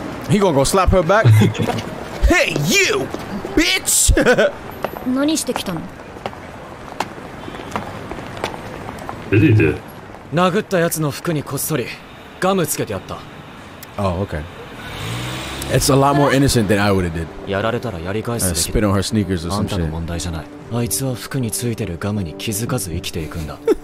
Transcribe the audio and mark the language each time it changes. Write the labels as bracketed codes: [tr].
[en] He gonna go slap her back? Hey, you! Bitch! [ja] 何してきたの? [en] What did he do? [ja] 殴った奴の服にこっそりガムつけてやった。 [en] Oh, okay. It's a lot more innocent than I would have did. [ja] やられたらやり返すべき。 [en] Spit on her sneakers or some shit. [ja] あんたの問題じゃない。あいつは服についてるガムに気づかず生きていくんだ。